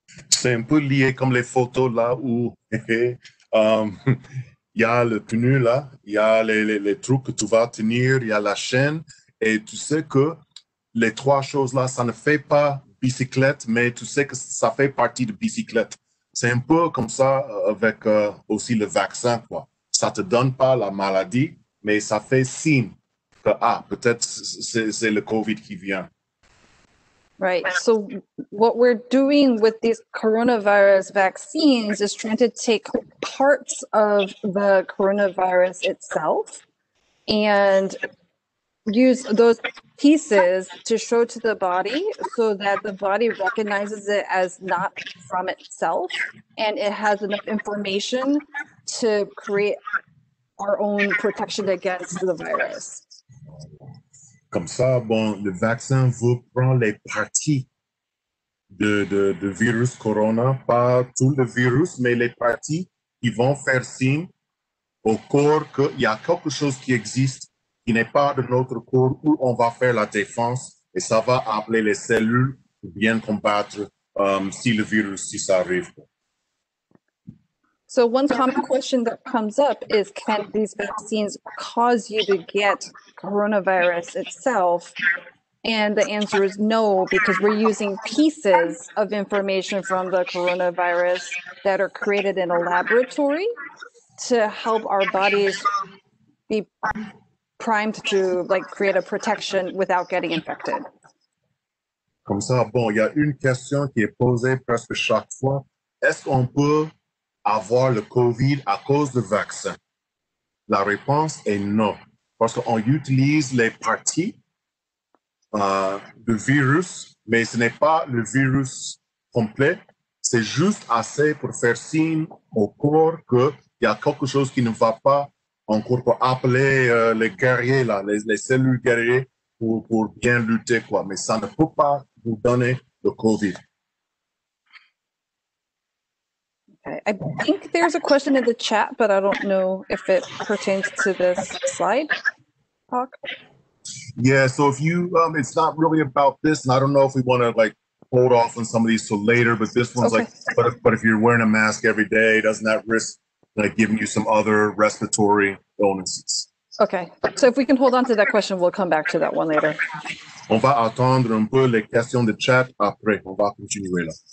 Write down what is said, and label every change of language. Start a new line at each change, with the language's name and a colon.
French: C'est un peu lié comme les photos là où il y a le tenu là, il y a les trucs que tu vas tenir, il y a la chaîne. Et tu sais que les trois choses-là, ça ne fait pas bicyclette, mais tu sais que ça fait partie de bicyclette. C'est un peu comme ça avec aussi le vaccin, quoi. Ça ne te donne pas la maladie, mais ça fait signe que, ah, peut-être c'est le COVID qui vient.
English: Right. So what we're doing with these coronavirus vaccines is trying to take parts of the coronavirus itself and use those pieces to show to the body so that the body recognizes it as not from itself and it has enough information to create our own protection against the virus.
French: Comme ça, bon, le vaccin vous prend les parties de virus corona, pas tout le virus, mais les parties qui vont faire signe au corps qu'il y a quelque chose qui existe qui n'est pas de notre corps où on va faire la défense et ça va appeler les cellules pour bien combattre si le virus, si ça arrive.
English: So one common question that comes up is, can these vaccines cause you to get coronavirus itself? And the answer is no, because we're using pieces of information from the coronavirus that are created in a laboratory to help our bodies be primed to like create a protection without getting infected.
French: Comme ça, bon, il y a une question qui est posée presque chaque fois. Est-ce qu'on peut avoir le COVID à cause du vaccin? La réponse est non, parce qu'on utilise les parties du virus, mais ce n'est pas le virus complet. C'est juste assez pour faire signe au corps que il y a quelque chose qui ne va pas. On court pour appeler les guerriers, là, les cellules guerriers pour bien lutter, quoi. Mais ça ne peut pas vous donner le COVID.
English: Okay. I think there's a question in the chat, but I don't know if it pertains to this slide talk. Yeah, so if you, it's not really about this, and I don't know if we want to like hold off on some of these till later, but this one's okay. Like, but if you're wearing a mask every day, doesn't that risk like giving you some other respiratory illnesses? Okay, so if we can hold on to that question, we'll come back to that one later.
French: On va attendre un peu les questions de chat après, on va continuer là.